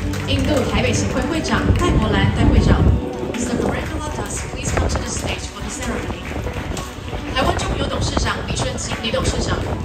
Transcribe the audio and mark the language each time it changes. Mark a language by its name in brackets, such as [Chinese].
[Chinese] 接下来，让我们邀请立法院副院长蔡其昌蔡副院长，桃园市副市长王明俊王副市长，外贸协会董事长王志光王董事长，印度台北协会会长戴国兰戴会长 ，Mr. [English] Miranda Lotas, please come to the stage for the ceremony. [Chinese] 台湾中油董事长李顺清李董事长。